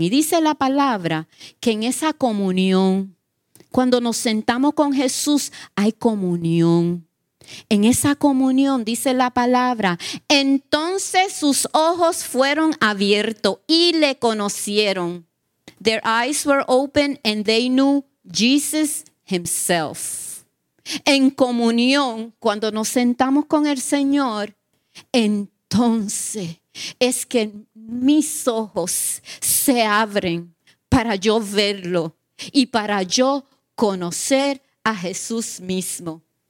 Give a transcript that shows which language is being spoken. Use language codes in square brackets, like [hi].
[es] Y dice la palabra que en esa comunión, cuando nos sentamos con Jesús, hay comunión. En esa comunión, dice la palabra, entonces sus ojos fueron abiertos y le conocieron. [en] Their eyes were open and they knew Jesus himself. [es] En comunión, cuando nos sentamos con el Señor, entonces es que mis ojos se abren para yo verlo y para yo conocer a Jesús mismo.